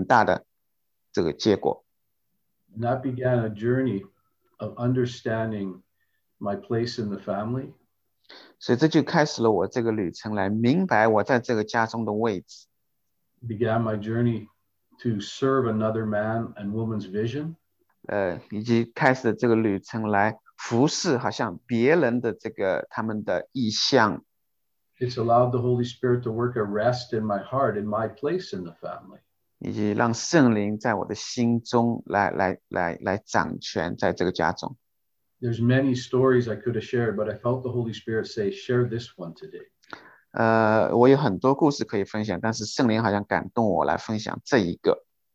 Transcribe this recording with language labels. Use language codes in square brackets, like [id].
[zh] 当我们带着这个论断去代祷的时候，这个就很少的没有什么果子。但是当我们从天父的心去代祷的时候，就会带来很大的这个结果。 [en] And that began a journey of understanding my place in the family. [zh] 所以这就开始了我这个旅程，来明白我在这个家中的位置。 [en] Began my journey to serve another man and woman's vision. [zh] 以及开始了这个旅程，来服侍好像别人的这个他们的意向。 [en] It's allowed the Holy Spirit to work a rest in my heart, in my place in the family. [zh] 以及让圣灵在我的心中来掌权，在这个家中。 [en] There's many stories I could have shared, but I felt the Holy Spirit say, share this one today. [zh] 我有很多故事可以分享，但是圣灵好像感动我来分享这一个。